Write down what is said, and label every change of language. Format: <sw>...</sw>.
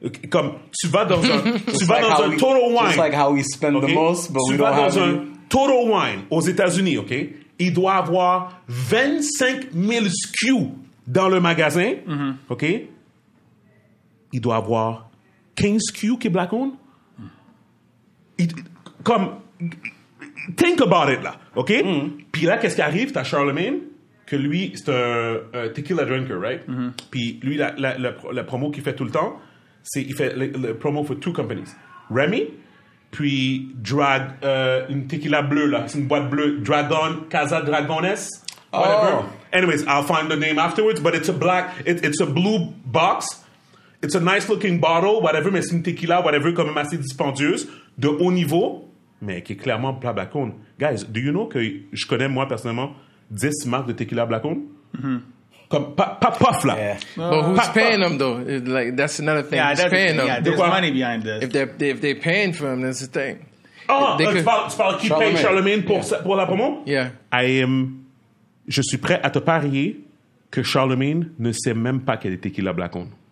<fr>Comme tu vas dans un, tu vas dans un Total Wine.</fr> <en>Just like how we spend the most, but we don't have</en> <fr>any. Total Wine aux États-Unis, OK? Il doit avoir 25 000 SKU dans le magasin, OK? Il doit avoir 15 SKU qui est black owned. Comme,</fr> <en>think about it</en> <fr>là, OK? Puis là, qu'est-ce qui arrive? T'as Charlemagne, que lui, c'est un</fr> <en>tequila drinker,</en> <fr>right? Puis lui, la promo qu'il fait tout le temps, c'est il fait le promo</fr> <en>for two companies.</en> <fr>Remy, puis Drag, une tequila bleue là, c'est une boîte bleue, Dragon, Casa Dragones, whatever. Oh.</fr> <en>Anyways, I'll find the name afterwards, but it's a black, it's a blue box. It's a nice looking bottle, whatever,</en> <fr>mais c'est une tequila, whatever, comme assez dispendieuse, de haut niveau, mais qui est clairement pas black owned.</fr> <en>Guys, do you know</en> <fr>que je connais moi personnellement 10 marques de tequila black owned? Comme pas puff là.</fr> <en>But who's paying them though? It's like, that's another thing. Who's paying them? Yeah, there's money behind this. If they're paying for them, that's the thing.</en> <fr>Oh, tu parles qui paye Charlemagne pour la promo?</fr> <en>Yeah.</en> <fr>Je suis prêt à te parier que Charlemagne ne sait même pas qu'il y a des tequila black owned.</fr>